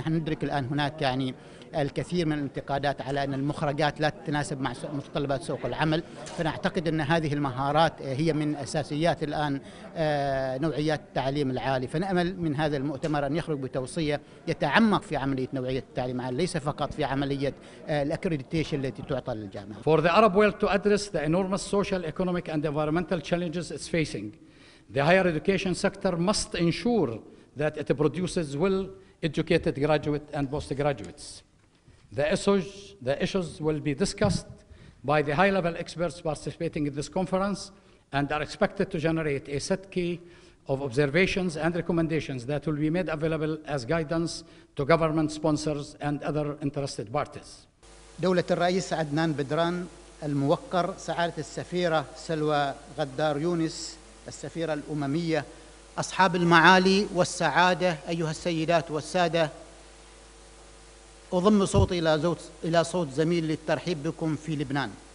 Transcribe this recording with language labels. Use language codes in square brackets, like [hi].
[ar] نحن ندرك الان هناك يعني الكثير من الانتقادات على ان المخرجات لا تتناسب مع متطلبات سوق العمل. فنعتقد ان هذه المهارات هي من اساسيات الان نوعيات التعليم العالي. فنامل من هذا المؤتمر ان يخرج بتوصيه يتعمق في عمليه نوعيه التعليم العالي، ليس فقط في عمليه الاكريديتيشن التي تعطى للجامعه. [en] For the Arab world to address the enormous social, economic and environmental challenges it's facing, the higher education sector must ensure that it produces well educated graduates and postgraduates. The issues will be discussed by the high level experts participating in this conference and are expected to generate a set key of observations and recommendations that will be made available as guidance to government sponsors and other interested parties. [ar] دولة الرئيس عدنان بدران الموقر، سعادة السفيرة سلوى غدار يونس السفيرة الأممية، أصحاب المعالي والسعادة، أيها السيدات والسادة، أضم صوتي إلى صوت زميل للترحيب بكم في لبنان.